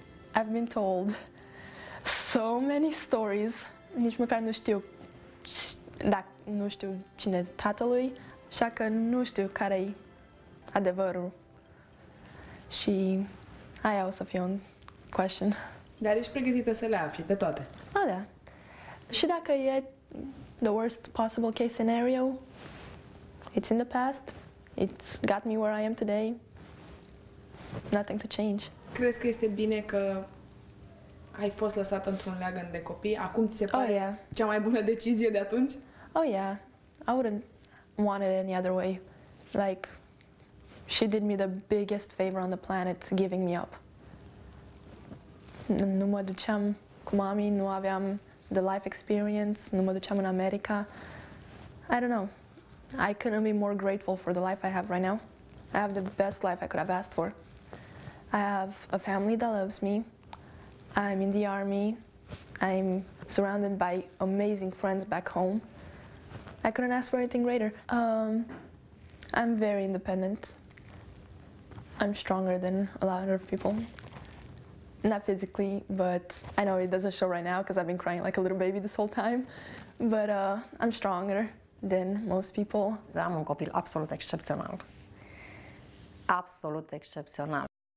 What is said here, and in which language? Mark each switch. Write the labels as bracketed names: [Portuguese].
[English] I've been told so many stories. [Romanian] Nici măcar nu știu dacă nu știu cine tatălui, așa că nu știu care e adevărul. Și aia o să fie un question. Dar ești pregătită să le afli pe toate? A, da. Și dacă e [English] the worst possible case scenario, it's in the past, it's got me where I am today, nothing to change. [Romanian] Crezi că este bine că ai fost lăsată într-un leagăn de copii? Acum ți se pare cea mai bună decizie de atunci? [English] Oh yeah, I wouldn't want it any other way. Like, she did me the biggest favor on the planet, giving me up. [Romanian] Nu mă duceam cu mami, nu aveam [English] the life experience, [Romanian] nu mă duceam în America. [English] I don't know. I couldn't be more grateful for the life I have right now. I have the best life I could have asked for. I have a family that loves me. I'm in the army. I'm surrounded by amazing friends back home. I couldn't ask for anything greater. I'm very independent. I'm stronger than a lot of people. Not physically, but I know it doesn't show right now because I've been crying like a little baby this whole time, but I'm stronger than most people. [Romanian] Am un copil absolut excepțional. Absolut excepțional.